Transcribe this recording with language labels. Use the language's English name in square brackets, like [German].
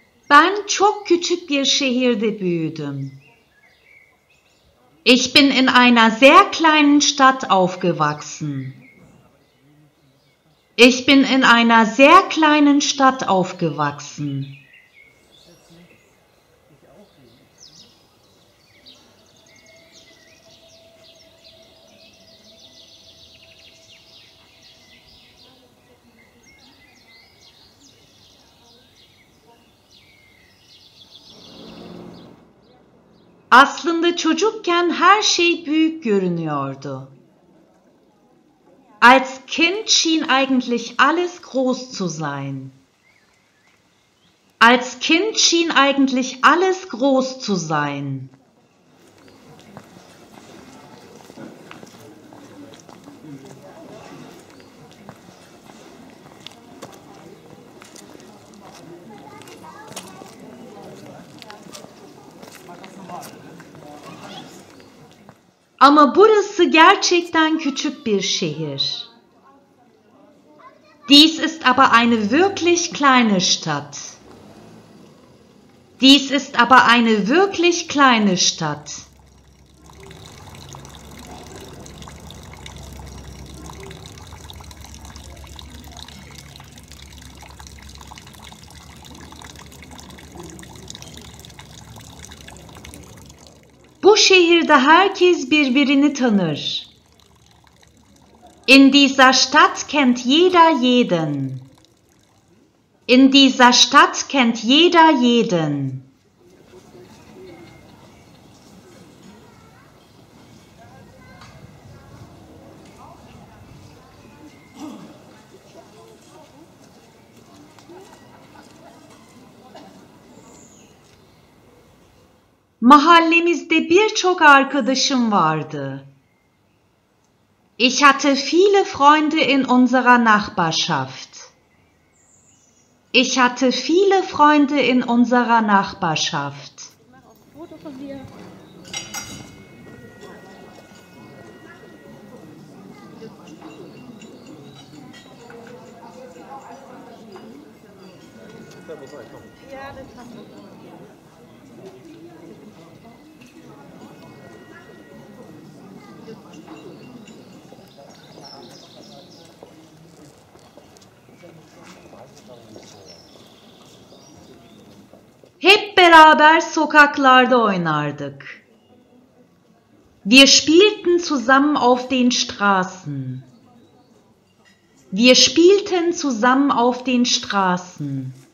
[Turkish] Ben çok küçük bir şehirde büyüdüm. [German] Ich bin in einer sehr kleinen Stadt aufgewachsen. Ich bin in einer sehr kleinen Stadt aufgewachsen. [Turkish] Aslında çocukken her şey büyük görünüyordu. [German] Als Kind schien eigentlich alles groß zu sein. Als Kind schien eigentlich alles groß zu sein. [Turkish] Ama burası gerçekten küçük bir şehir. [German] Dies ist aber eine wirklich kleine Stadt. Dies ist aber eine wirklich kleine Stadt. [Turkish] Bu şehirde herkes birbirini tanır. [German] In dieser Stadt kennt jeder jeden. In dieser Stadt kennt jeder jeden. [Turkish] Mahallemizde birçok arkadaşım vardı. [German] Ich hatte viele Freunde in unserer Nachbarschaft. Ich hatte viele Freunde in unserer Nachbarschaft. [Turkish] Hep beraber sokaklarda oynardık. [German] Wir spielten zusammen auf den Straßen. Wir spielten zusammen auf den Straßen.